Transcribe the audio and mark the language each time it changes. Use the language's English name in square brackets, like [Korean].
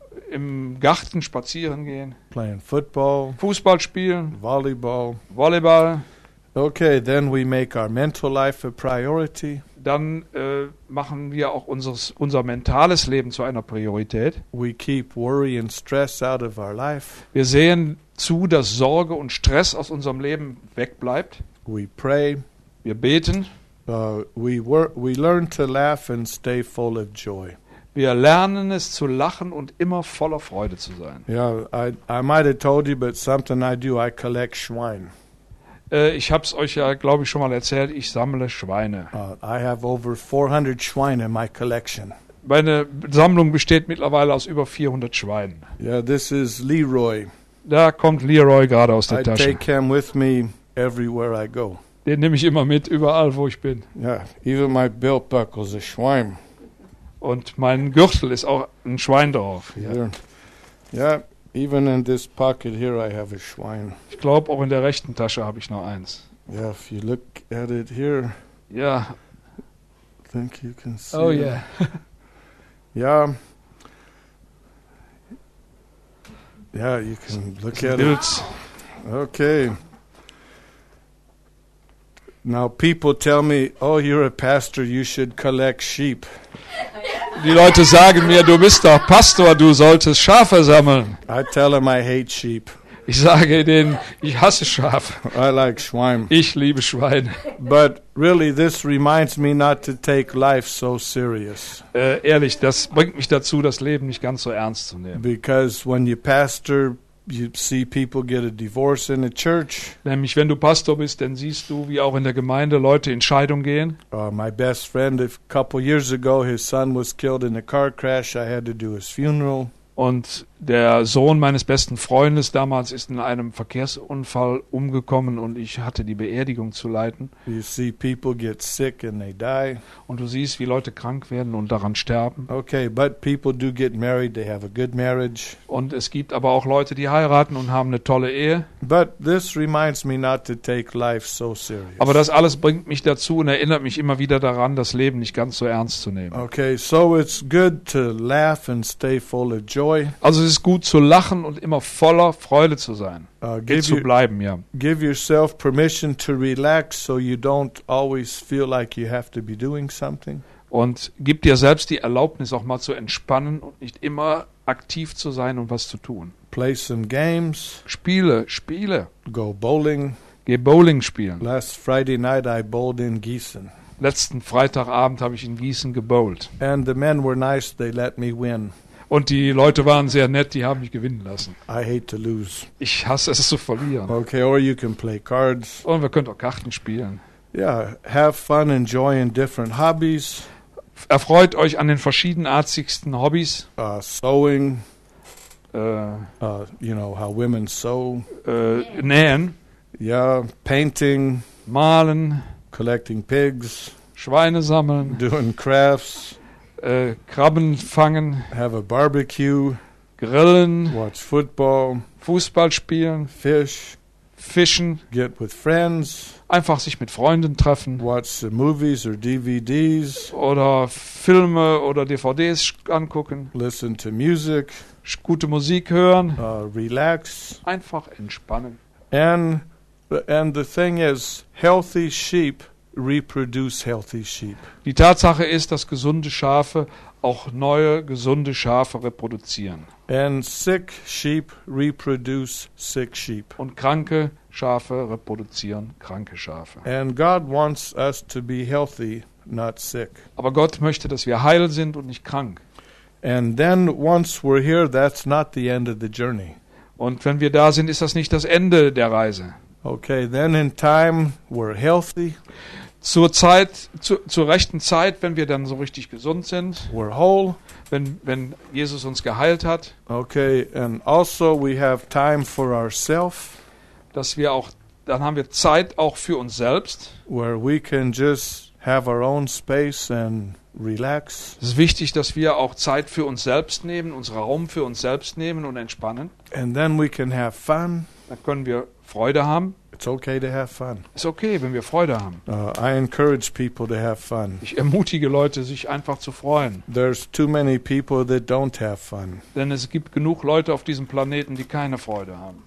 [German] Im Garten spazieren gehen. [English] Playing football. [German] Fußball spielen. [English] Volleyball. [German] Volleyball. [English] Okay, then we make our mental life a priority. [German] Dann machen wir auch unser mentales Leben zu einer Priorität. [English] We keep worry and stress out of our life. [German] Wir sehen zu, dass Sorge und Stress aus unserem Leben wegbleibt. [English] We pray. [German] Wir beten. [English] we learn to laugh and stay full of joy. [German] Wir lernen es zu lachen und immer voller Freude zu sein. [English] Yeah, I might have told you, but something I do, I collect Schweine. [German] Ich habe es euch ja, glaube ich, schon mal erzählt. Ich sammle Schweine. [English] I have over 400 Schweine in my collection. [German] Meine Sammlung besteht mittlerweile aus über 400 Schweinen. [English] Yeah, this is Leroy. [German] Da kommt Leroy gerade aus der Tasche. [English] I take him with me everywhere I go. [German] Den nehme ich immer mit, überall, wo ich bin. [English] Yeah, even my belt buckle is a Schwein. [German] Und mein Gürtel ist auch ein Schwein drauf. [English] Yeah, even in this pocket here I have a Schwein. [German] Ich glaube, auch in der rechten Tasche habe ich noch eins. [English] Yeah, if you look at it here, yeah, I think you can see. Oh, yeah. Yeah. Yeah, you can look at it. Okay. Now people tell me, oh, you're a pastor, you should collect sheep. [German] Die Leute sagen mir, du bist doch Pastor, du solltest Schafe sammeln. [English] I tell them I hate sheep. [German] Ich sage denen, ich hasse Schafe. [English] I like Schwein. [German] Ich liebe Schweine. [English] But really, this reminds me not to take life so serious. [German] Ehrlich, das bringt mich dazu, das Leben nicht ganz so ernst zu nehmen. [English] Because when you pastor, you see people get a divorce in the church. [German] Nämlich, wenn du Pastor bist, dann siehst du, wie auch in der Gemeinde Leute in Scheidung gehen. [English] My best friend, a couple years ago, his son was killed in a car crash. I had to do his funeral. [German] Und der Sohn meines besten Freundes damals ist in einem Verkehrsunfall umgekommen und ich hatte die Beerdigung zu leiten. [English] You see people get sick and they die. [German] Und du siehst, wie Leute krank werden und daran sterben. [English] Okay, but people do get married, they have a good marriage. [German] Und es gibt aber auch Leute, die heiraten und haben eine tolle Ehe. [English] But this reminds me not to take life so serious. [German] Aber das alles bringt mich dazu und erinnert mich immer wieder daran, das Leben nicht ganz so ernst zu nehmen. [English] Okay, so it's good to laugh and stay full of joy. [German] Also es ist gut zu lachen und immer voller Freude zu sein. [English] Give yourself permission to relax so you don't always feel like you have to be doing something. [German] Und gib dir selbst die Erlaubnis auch mal zu entspannen und nicht immer aktiv zu sein und was zu tun. [English] Play some games. [German] Spiele. [English] Go bowling. [German] Geh Bowling spielen. [English] Last Friday night I bowled in Gießen. [German] Letzten Freitagabend habe ich in Gießen gebowlt. [English] And the men were nice, they let me win. [German] Und die Leute waren sehr nett, die haben mich gewinnen lassen. [English] I hate to lose. [German] Ich hasse es zu verlieren. [English] Okay, or you can play cards. [German] Und wir können auch Karten spielen. [English] Yeah, have fun, enjoy in different hobbies. [German] Erfreut euch an den verschiedenartigsten Hobbys. [English] Sewing. You know how women sew. [German] Nähen. [English] Yeah, painting. [German] Malen. [English] Collecting pigs. [German] Schweine sammeln. [English] Doing crafts. [German] Krabben fangen, [English] have a barbecue, [German] grillen, [English] watch football, [German] Fußball spielen, fischen, [English] get with friends, [German] einfach sich mit Freunden treffen, [English] watch the movies or DVDs, [German] oder Filme oder DVDs angucken, [English] listen to music, [German] gute Musik hören, [English] relax, [German] einfach entspannen. [English] And the thing is, healthy sheep reproduce healthy sheep. [German] Die Tatsache ist, dass gesunde Schafe auch neue gesunde Schafe reproduzieren. [English] And sick sheep reproduce sick sheep. [German] Und kranke Schafe reproduzieren kranke Schafe. [English] And God wants us to be healthy, not sick. [German] Aber Gott möchte, dass wir heil sind und nicht krank. [English] And then once we're here, that's not the end of the journey. [German] Und wenn wir da sind, ist das nicht das Ende der Reise. [English] Okay, then in time we're healthy. [German] Zur rechten Zeit, wenn wir dann so richtig gesund sind. [English] We're whole. [German] Wenn Jesus uns geheilt hat. [English] Okay, and also we have time for ourselves. [German] Dass wir auch, dann haben wir Zeit auch für uns selbst. [English] Where we can just have our own space and relax. [German] Es ist wichtig, dass wir auch Zeit für uns selbst nehmen, unseren Raum für uns selbst nehmen und entspannen. [English] And then we can have fun. [German] Dann können wir Freude haben. [English] It's okay to have fun. [German] Ist okay, wenn wir Freude haben. [English] I encourage people to have fun. [German] Ich ermutige Leute, sich einfach zu freuen. [English] There's too many people that don't have fun. [German] Denn es gibt genug Leute auf diesem Planeten, die keine Freude haben.